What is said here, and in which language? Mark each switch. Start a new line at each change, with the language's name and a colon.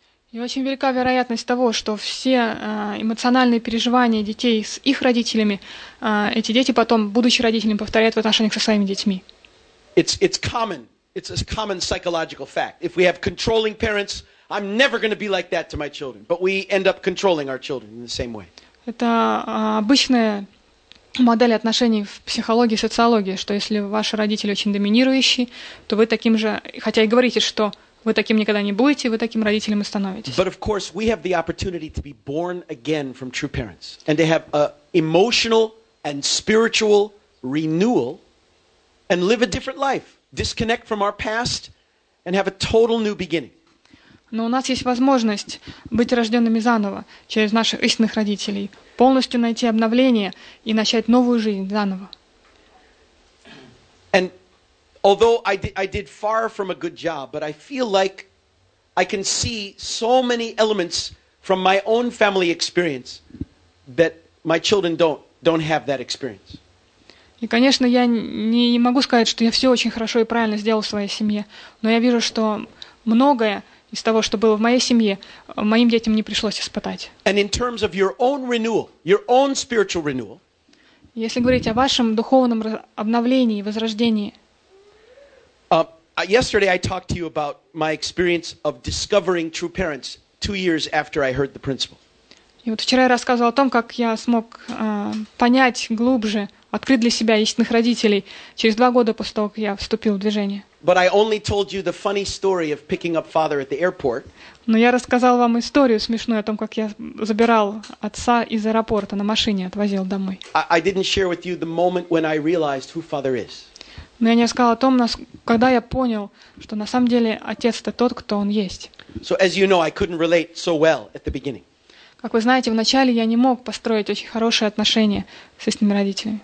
Russian: И очень велика вероятность того, что все эмоциональные переживания детей с их родителями, эти дети потом, будучи родителями, повторяют в отношениях со своими детьми.
English: It's common. It's a common psychological fact. If we have controlling parents, I'm never going to be like that to my children. But we end up controlling our children in the same way.
Russian: Это обычная модель отношений в психологии, социологии, что если ваши родители очень доминирующие, то вы таким же, хотя и говорите, что вы таким никогда не будете, вы таким родителем и становитесь.
English: But of course, we have the opportunity to be born again from true parents and to have an emotional and spiritual renewal and live a different life. Disconnect from our past and have a total new beginning.
Russian: Но у нас есть возможность быть рожденными заново через наших истинных родителей, полностью найти обновление и начать новую жизнь заново.
English: And although I did far from a good job, but I feel like I can see so many elements from my own family experience that my children don't have that experience.
Russian: И, конечно, я не могу сказать, что я все очень хорошо и правильно сделал в своей семье, но я вижу, что многое из того, что было в моей семье, моим детям не пришлось испытать.
English: And in terms of your own renewal, your own spiritual renewal,
Russian: если говорить о вашем духовном обновлении, возрождении,
English: Yesterday I talked to you about my experience of discovering true parents 2 years after I heard the principle.
Russian: И вот вчера я рассказывал о том, как я смог понять глубже, открыть для себя истинных родителей через 2 года после того, как я вступил в движение.
English: But I only told you the funny story of picking up father at the airport.
Russian: Но я рассказал вам историю смешную о том, как я забирал отца из аэропорта на машине, отвозил домой.
English: I didn't share with you the moment when I realized who father is.
Russian: Но я не сказал о том, когда я понял, что на самом деле отец это тот, кто он есть.
English: So as you know, I couldn't relate so well at the beginning.
Russian: Как вы знаете, вначале я не мог построить очень хорошие отношения с истинными родителями.